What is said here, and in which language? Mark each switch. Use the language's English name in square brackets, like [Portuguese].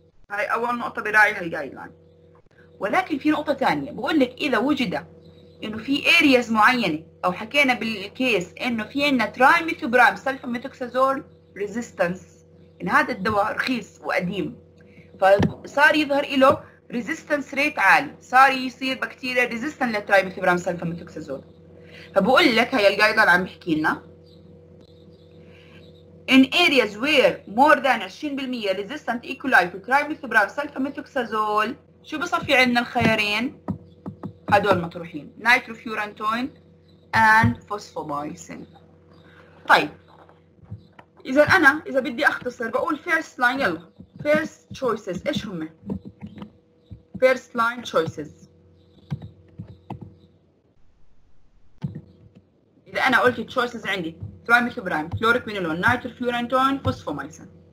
[Arabic] هاي اول نقطه براعيها الجايد لاين. ولكن في نقطه ثانيه بقول لك اذا وجد انه في ارياز معينه او حكينا بالكيس انه في عندنا ترايميثوبرام سلفاميثوكسازول ريزيستنس، ان هذا الدواء رخيص وقديم فصار يظهر له ريزيستنس ريت عالي، صار يصير بكتيريا ريزيستنت للترايميثوبرام سلفاميثوكسازول، فبقول لك هي الجايد لاين عم بحكي لنا [English] in areas where more than 20% resistant E. coli to trimethoprim sulfamethoxazole، [Arabic] شو بصفي عندنا الخيارين؟ هدول مطروحين [English] nitrofurantoin and phosphomycin. [Arabic] طيب اذا انا اذا بدي اختصر بقول first line، يلا [English] first choices [Arabic] ايش هم؟ [English] first line choices [Arabic] إذا أنا قلت choices عندي ترايميثوبرايم فلوروكوينولون نايتروفيورانتون فوسفومايسن.